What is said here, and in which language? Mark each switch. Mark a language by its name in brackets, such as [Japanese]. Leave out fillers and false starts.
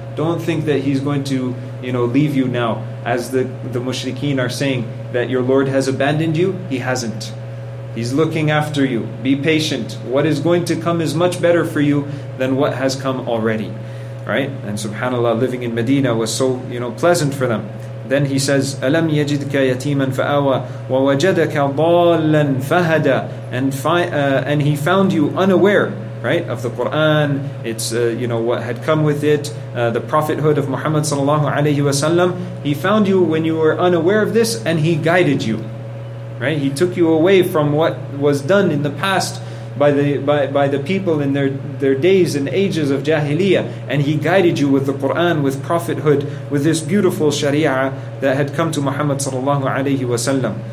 [English] Don't think that he's going to, you know, leave you now, as the mushrikeen are saying, that your Lord has abandoned you. He hasn't. He's looking after you. Be patient. What is going to come is much better for you than what has come already. Right? And subhanAllah, living in Medina was so, you know, pleasant for them. Then he says, [Arabic] أَلَمْ يَجِدْكَ يَتِيمًا فَآوَى وَوَجَدَكَ ضَالًا فَهَدَى. [English] And he found you unaware, right, of the Qur'an, it's, you know, what had come with it, the prophethood of Muhammad sallallahu alayhi wa sallam. He found you when you were unaware of this, and he guided you, right? He took you away from what was done in the past by the people in their days and ages of jahiliyyah, and he guided you with the Qur'an, with prophethood, with this beautiful sharia that had come to Muhammad sallallahu alayhi wa sallam.